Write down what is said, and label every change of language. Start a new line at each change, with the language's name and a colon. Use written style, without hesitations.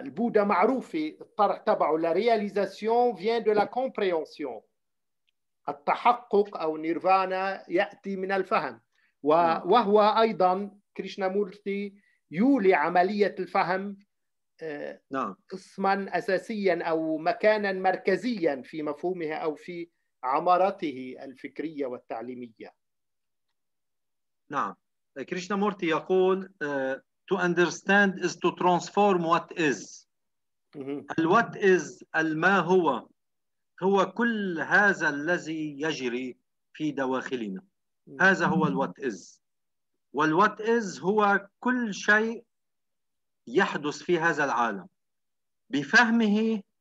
Arabic: البودا معروف الطرح تبعه:
French: la réalisation vient de la compréhension،
Arabic: التحقق أو نيرفانا يأتي من الفهم. وهو أيضا كريشنامورتي يولي عملية الفهم قسما أساسيا أو مكانا مركزيا في مفهومها أو في عمارته الفكرية والتعليمية. نعم، كريشنامورتي يقول:
English: to understand is to transform what is.
Arabic: الwhat is، الما هو، هو كل هذا الذي يجري في دواخلنا. هذا هو الwhat is، والwhat is هو كل شيء يحدث في هذا العالم. بفهمه